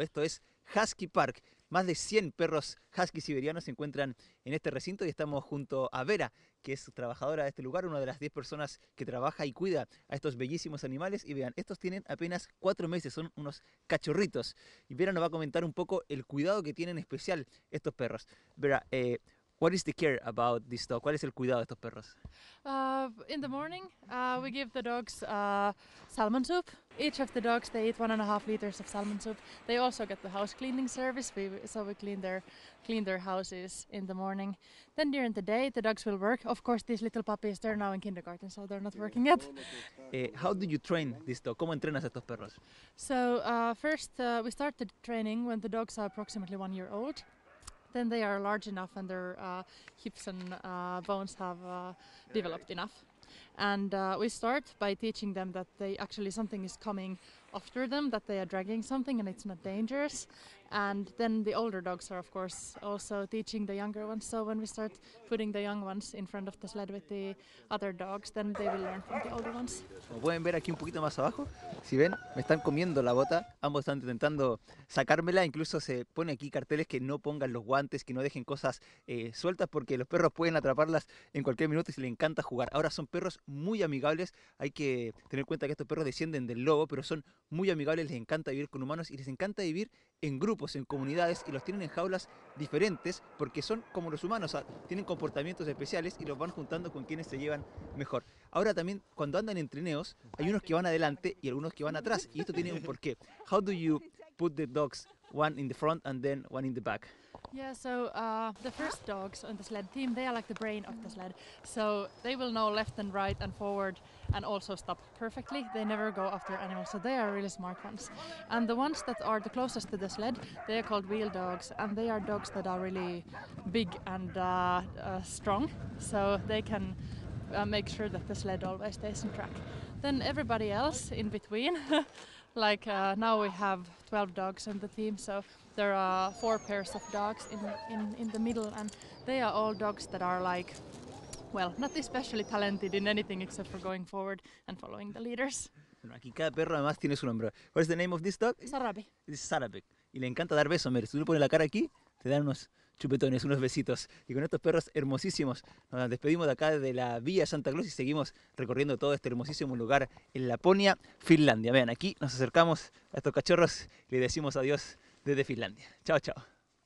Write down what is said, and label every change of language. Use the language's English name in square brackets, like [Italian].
[Spanish] Esto es Husky Park. Más de 100 perros husky siberianos se encuentran en este recinto y estamos junto a Vera, que es trabajadora de este lugar, una de las 10 personas que trabaja y cuida a estos bellísimos animales. Y vean, estos tienen apenas 4 meses, son unos cachorritos. Y Vera nos va a comentar un poco el cuidado que tienen especial estos perros. [English] Vera, what is the care about this dog? [Spanish] ¿Cuál es el cuidado de estos perros? [English] In the morning, we give the dogs salmon soup. Each of the dogs, they eat 1.5 liters of salmon soup. They also get the house cleaning service, so we clean their houses in the morning. Then during the day, the dogs will work. Of course, these little puppies, they're now in kindergarten, so they're not working yet. How do you train this dog? [Spanish] ¿Cómo entrenas a estos perros? [English] So first, we start the training when the dogs are approximately 1 year old. Then they are large enough and their hips and bones have developed enough. And we start by teaching them that they actually something is coming after them, that they are dragging something and it's not dangerous. And then the older dogs are of course also teaching the younger ones. So when we start putting the young ones in front of the sled with the other dogs, then they will learn from the older ones. [Spanish] Como pueden ver aquí un poquito más abajo, si ven, me están comiendo la bota. Ambos están intentando sacármela. Incluso se pone aquí carteles que no pongan los guantes, que no dejen cosas sueltas porque los perros pueden atraparlas en cualquier minuto y se les encanta jugar. Ahora son perros muy amigables. Hay que tener en cuenta que estos perros descienden del lobo, pero son muy amigables, les encanta vivir con humanos y les encanta vivir en grupos, en comunidades, y los tienen en jaulas diferentes porque son como los humanos, o sea, tienen comportamientos especiales y los van juntando con quienes se llevan mejor. Ahora también, cuando andan en trineos, hay unos que van adelante y algunos que van atrás, y esto tiene un porqué. [English] How do you put the dogs one in the front and then one in the back? Yeah, so the first dogs on the sled team, they are like the brain of the sled. So they will know left and right and forward and also stop perfectly. They never go after animals, so they are really smart ones. And the ones that are the closest to the sled, they are called wheel dogs. And they are dogs that are really big and strong. So they can make sure that the sled always stays on track. Then everybody else in between, like now we have 12 dogs on the team, so there are 4 pairs of dogs in the middle, and they are all dogs that are like, well, not especially talented in anything except for going forward and following the leaders. [Spanish] Bueno, aquí cada perro además tiene su nombre. [English] What is the name of this dog? Sarabi. It's Sarabi. [Spanish] Y le encanta dar besos. Mira, si tú le pones la cara aquí, te dan unos chupetones, unos besitos. Y con estos perros hermosísimos, nos despedimos de acá de la Villa Santa Claus y seguimos recorriendo todo este hermosísimo lugar en Laponia, Finlandia. Vean, aquí nos acercamos a estos cachorros y le decimos adiós desde Finlandia. Chao, chao.